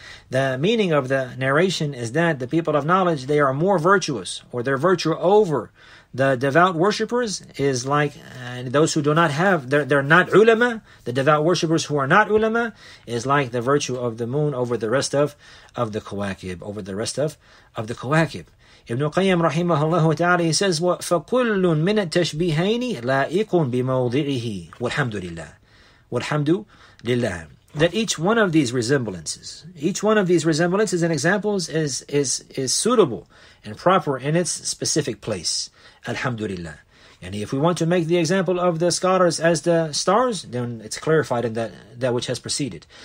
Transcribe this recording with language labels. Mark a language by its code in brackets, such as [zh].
[en] The meaning of the narration is that the people of knowledge, they are more virtuous, or their virtue over the devout worshippers is like those who do not have, they're not ulama, the devout worshippers who are not ulama, is like the virtue of the moon over the rest of the kawakib, over the rest of the kawakib. [ar] Ibn Qayyim rahimahullah ta'ala, [en] he says, [ar] فَكُلٌ مِنَ التَّشْبِيهَيْنِ لَائِقٌ بِمَوْضِعِهِ وَالْحَمْدُ لِلَّهِ وَالْحَمْدُ لِلَّهِ. [en] That each one of these resemblances, each one of these resemblances and examples is suitable and proper in its specific place. Alhamdulillah. And if we want to make the example of the scholars as the stars, then it's clarified in that which has preceded.